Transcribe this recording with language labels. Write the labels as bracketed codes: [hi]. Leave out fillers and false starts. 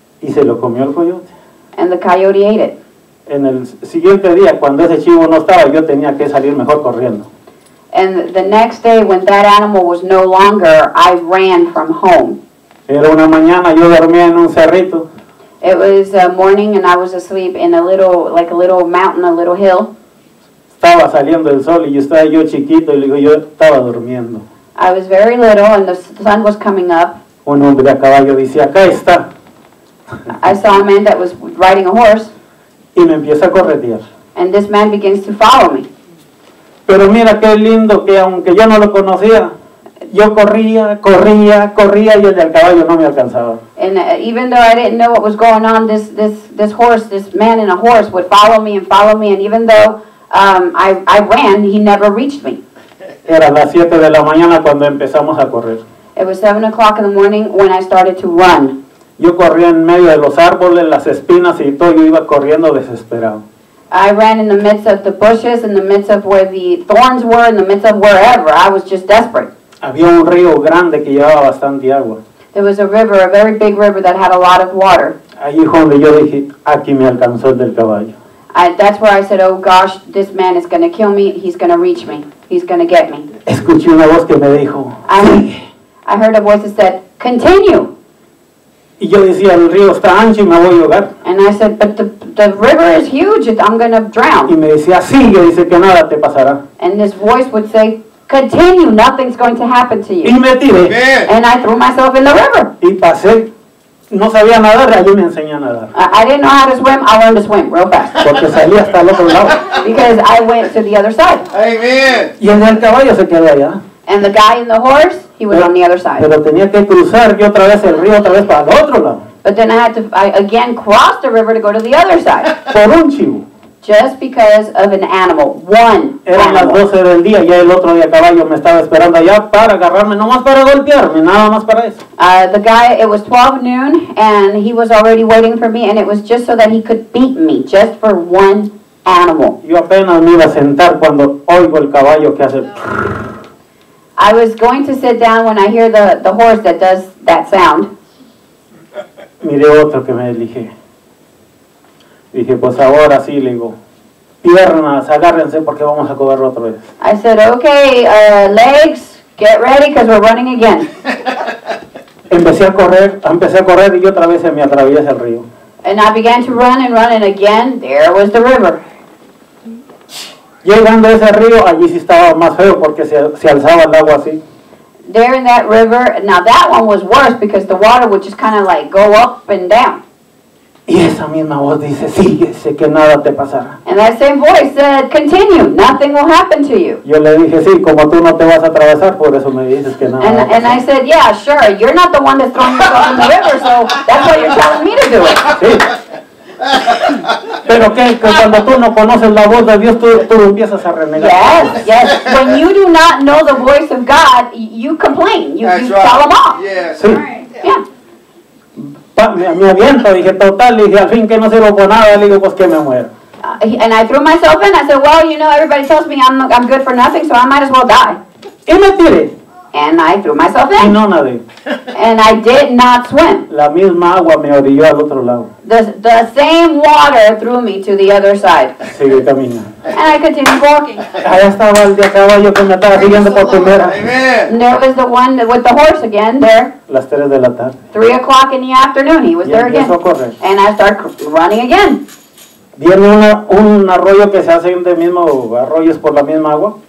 [es] Y se lo comió el coyote. [en] And the coyote ate it. [es] En el siguiente día, cuando ese chivo no estaba, yo tenía que salir mejor corriendo. [en] And the next day, when that animal was no longer, I ran from home. [es] Era una mañana, yo dormía en un cerrito. [en] It was a morning and I was asleep in a little, like a little mountain, a little hill. [es] Estaba saliendo el sol y yo estaba yo chiquito y digo, yo estaba durmiendo. [en] I was very little and the sun was coming up. [es] Un hombre a caballo dice, acá está. [en] I saw a man that was riding a horse. [es] Y me empieza a corretear. [en] And this man begins to follow me. [es] Pero mira qué lindo que aunque yo no lo conocía, yo corría, corría, corría y el del caballo no me alcanzaba. [en] And even though I didn't know what was going on, this horse, this man in a horse would follow me and even though I ran, he never reached me. [es] Era las 7 de la mañana cuando empezamos a correr. [en] It was 7 o'clock in the morning when I started to run. [es] Yo corría en medio de los árboles, las espinas y todo, yo iba corriendo desesperado. [en] I ran in the midst of the bushes, in the midst of where the thorns were, in the midst of wherever. I was just desperate. [es] Había un río grande que llevaba bastante agua. [en] There was a river, a very big river that had a lot of water. [es] Ahí fue donde yo dije, aquí me alcanzó el del caballo. [en] That's where I said, "Oh gosh, this man is going to kill me. He's going to reach me. He's going to get me." [es] Escuché una voz que me dijo, "Sigue." [en] I heard a voice that said, "Continue." [es] Y yo decía, "El río está ancho y me voy a ahogar." [en] And I said, "But the river is huge. I'm going to drown." [es] Y me decía, "Sigue." Dice que nada te pasará. [en] And this voice would say, "Continue. Nothing's going to happen to you." [es] Y me tiré. [en] And I threw myself in the river. [es] Y pasé. No sabía nadar, allí me enseñé a nadar. [en] I didn't know how to swim, I learned to swim real fast. [es] Porque salí hasta el otro lado. [en] Because I went to the other side. Amen. [es] Y en el caballo se quedó allá. [en] And the guy in the horse, he was on the other side. [es] Pero tenía que cruzar yo otra vez el río, otra vez para el otro lado. [en] But then I had to, I again crossed the river to go to the other side. [es] Por un chivo. [en] Just because of an animal, one [es] era [en] animal. [es] Eran las 12 del día, ya el otro día caballo me estaba esperando allá para agarrarme, no más para golpearme, nada más para eso. [en] The guy, it was 12 noon, and he was already waiting for me, and it was just so that he could beat me, just for one animal. [es] Yo apenas me iba a sentar cuando oigo el caballo que hace... [en] I was going to sit down when I hear the horse that does that sound. [es] Miré otro que me elige. Dije, pues ahora sí, le digo, piernas, agárrense porque vamos a correr otra vez. [en] I said, okay, legs, get ready because we're running again. [es] Empecé a correr y otra vez se me atraviesa el río. [en] And I began to run and again, there was the river. [es] Llegando a ese río, allí sí estaba más feo porque se alzaba el agua así. [en] There in that river, now that one was worse because the water would just kind of like go up and down. [es] Y esa misma voz dice, síguese, que nada te pasará. [en] And that same voice said, continue, nothing will happen to you. [es] Yo le dije, sí, como tú no te vas a atravesar, por eso me dices que nada. [en] And I said, yeah, sure, you're not the one that's throwing the ball in the river, so that's why you're telling me to do it. [es] Sí. Pero qué, que cuando tú no conoces la voz de Dios, tú empiezas a renegar. [en] Yes, yes. When you do not know the voice of God, you complain. You tell them off. Yes. [es] Sí. [en] Right. Yeah. [es] Me aviento, dije, total, dije, al fin que no sirvo por nada, le digo, pues que me muero. [en] And I threw myself in. I said, well, you know, everybody tells me I'm good for nothing, so I might as well die. [es] Y me tiré. [en] And I threw myself in. [es] Y no nadé. [en] And I did not swim. [es] La misma agua me orilló al otro lado. [en] The same water threw me to the other side. [es] Sigue caminando. [en] And I continued walking. [es] Allá estaba el de caballo que me estaba siguiendo por primera. [en] And there was the one with the horse again there. [es] Las 3 de la tarde. [en] 3 o'clock in the afternoon, he was [es] y [en] there again. [es] Empezó a correr. [en] And I start running again. [es] Viene un arroyo que se hace de mismo arroyos por la misma agua.